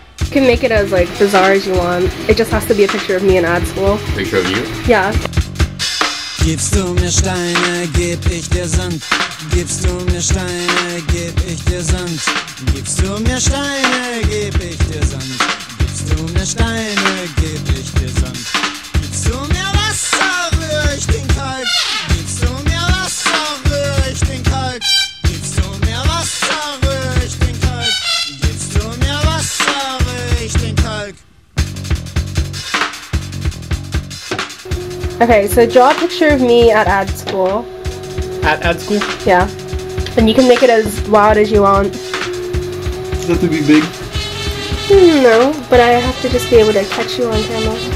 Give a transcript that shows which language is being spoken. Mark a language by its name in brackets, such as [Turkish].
[English] can make it as like bizarre as you want. It just has to be a picture of me in ad school. Picture of you? Yeah. [German] Gibst du mir Steine, geb ich dir Sand. Gibst du mir Steine, geb ich dir Sand. Gibst du mir Steine, geb ich dir Sand. Gibst du mir Steine, geb ich dir Sand. Gibst du mir Wasser, rühr ich den Kalk. Gibst du mir Wasser, rühr ich den Kalk. Gibst du mir Wasser, rühr ich den Kalk. Gibst du mir Wasser, rühr ich den Kalk. [English] Okay, so draw a picture of me at ad school. At ad school? Yeah. And you can make it as wild as you want. Does it have to be big? No, but I have to just be able to catch you on camera.